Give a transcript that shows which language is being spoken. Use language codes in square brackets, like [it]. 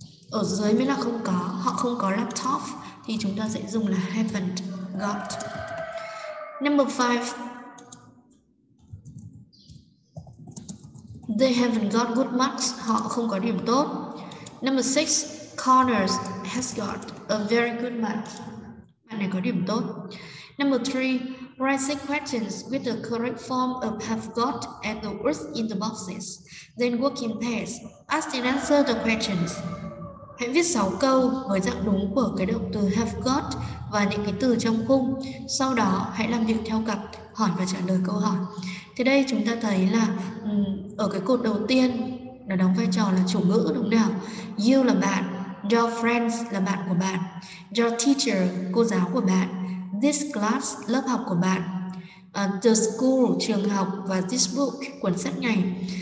[vi] Ở dưới mới là không có, họ không có laptop thì chúng ta sẽ dùng là haven't got. [en] Number 5, they haven't got good marks, [vi] họ không có điểm tốt. [en] Number 6, Connors has got a very good mark, [vi] bạn này có điểm tốt. [en] Number 3, write six questions with the correct form of have got and the words in the boxes, then work in pairs, ask and answer the questions. [vi] Hãy viết 6 câu với dạng đúng của cái động từ have got và những cái từ trong khung. Sau đó hãy làm việc theo cặp, hỏi và trả lời câu hỏi. Thì đây chúng ta thấy là ở cái cột đầu tiên nó đóng vai trò là chủ ngữ, đúng nào? You là bạn, your friends là bạn của bạn, your teacher, cô giáo của bạn, this class, lớp học của bạn, the school, trường học và this book, cuốn sách này.